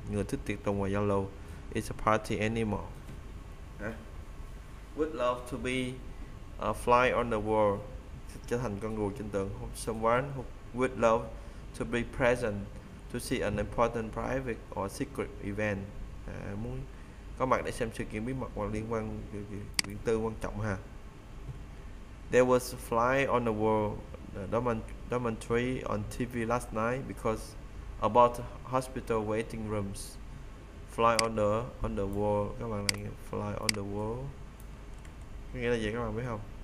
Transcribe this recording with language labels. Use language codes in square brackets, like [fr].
[vi] Người thích tiệc tùng và giao lưu. [en] It's a party animal. Would love to be a fly on the wall, [vi] trở thành con rùa trên tường. [en] Someone who would love to be present to see an important private or secret event. [vi] Muốn có mặt để xem sự kiện bí mật hoặc liên quan riêng tư quan trọng ha. [en] There was a fly on the wall documentary on TV last night because about hospital waiting rooms. Fly on the wall, [vi] các bạn lại fly on the wall. Cái nghĩa là gì các bạn biết không?